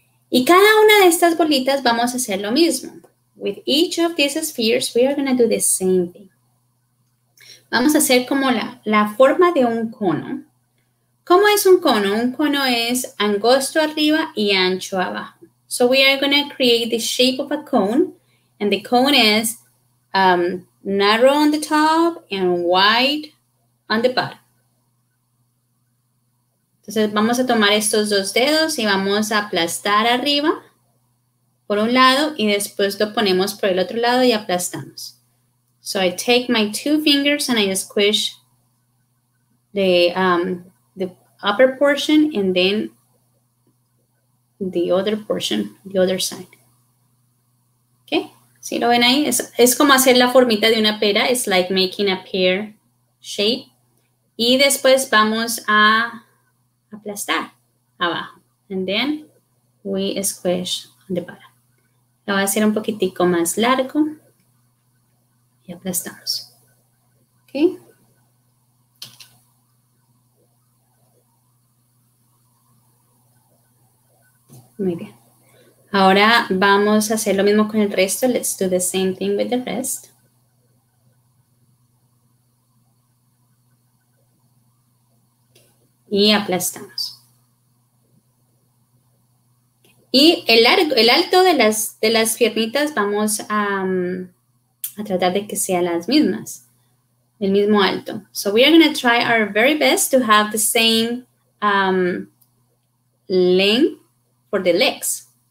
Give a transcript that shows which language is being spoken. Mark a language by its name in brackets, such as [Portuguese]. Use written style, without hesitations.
[Spanish] Y cada una de estas bolitas vamos a hacer lo mismo. [English] With each of these spheres, we are going to do the same thing. [Spanish] Vamos a hacer como la forma de un cono. ¿Cómo es un cono? Un cono es angosto arriba y ancho abajo. [English] So we are going to create the shape of a cone. And the cone is narrow on the top and wide on the bottom. [Spanish] Entonces vamos a tomar estos dos dedos y vamos a aplastar arriba por un lado y después lo ponemos por el otro lado y aplastamos. [English] So I take my two fingers and I squish the upper portion and then the other portion, the other side. [Spanish] Okay, ¿sí lo ven ahí? Es como hacer la formita de una pera. [English] It's like making a pear shape. [Spanish] Y después vamos a aplastar abajo. [English] And then we squish on the bottom. [Spanish] Lo voy a hacer un poquitico más largo. Y aplastamos. Ok. Muy bien. Ahora vamos a hacer lo mismo con el resto. [English] Let's do the same thing with the rest. [Spanish] Y aplastamos. Y el largo, el alto de las piernitas vamos a tratar de que sean las mismas. El mismo alto. [English] So we are going to try our very best to have the same length for the legs.